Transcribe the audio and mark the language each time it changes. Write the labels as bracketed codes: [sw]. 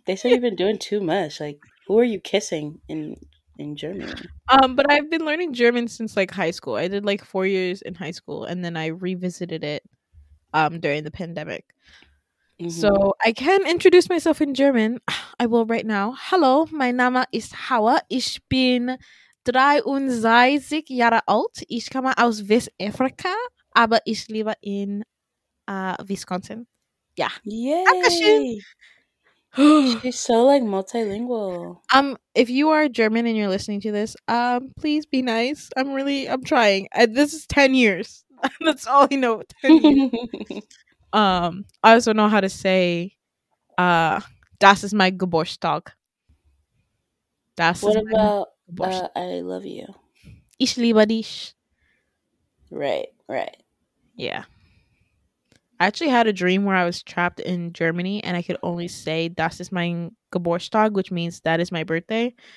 [en] They said you've been doing too much. Like, who are you kissing in German? But I've been learning German since, like, high school. I did, like, 4 years in high school, and then I revisited it. During the pandemic. So I can introduce myself in German. I will right now. [de] Hello, mein Name ist Hawa. Ich bin 33 Jahre alt. Ich komme aus Westafrika, aber ich lebe in Wisconsin. Yeah. [en] Yay. Dankeschön. She's so like multilingual. If you are German and you're listening to this, please be nice. I'm trying. This is 10 years. That's all I know. 10 years. I also know how to say, [de] das ist mein Geburtstag. [en] Das what about I love you? [de] Ich liebe dich. [en] Right. Yeah. I actually had a dream where I was trapped in Germany and I could only say, [de] das ist mein Geburtstag, [en] which means that is my birthday.